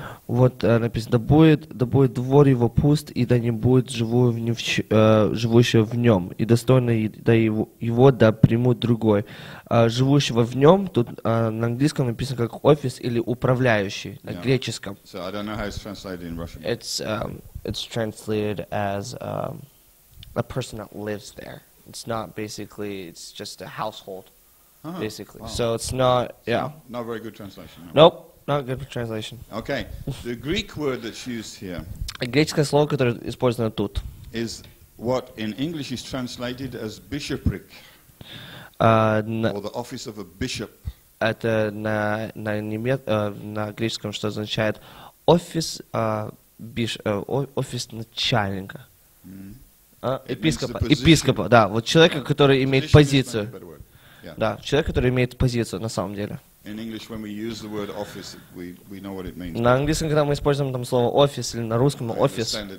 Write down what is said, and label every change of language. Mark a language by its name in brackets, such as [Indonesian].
[Russian] Вот написано, да будет двор его пуст, и да не будет живущего в нем, и достойно да его да примут другой. Живущего в нем тут на английском написано как офис или управляющий на греческом. [English] So I don't know how it's translated in Russian. It's translated as a person that lives there. It's not basically, it's just a household, basically. Wow. So it's not, So not very good translation. No. Nope, not good translation. Okay, the Greek word that's used here. [Russian] Греческое слово, которое использовано тут. [English] Is what in English is translated as bishopric. Or the office of a bishop. [Russian] Это на греческом, что означает офис начальника. Mm-hmm. Епископа, да, вот человека, который имеет позицию. Да, человек, который имеет позицию на самом деле. На английском, когда мы используем там слово офис или на русском офис.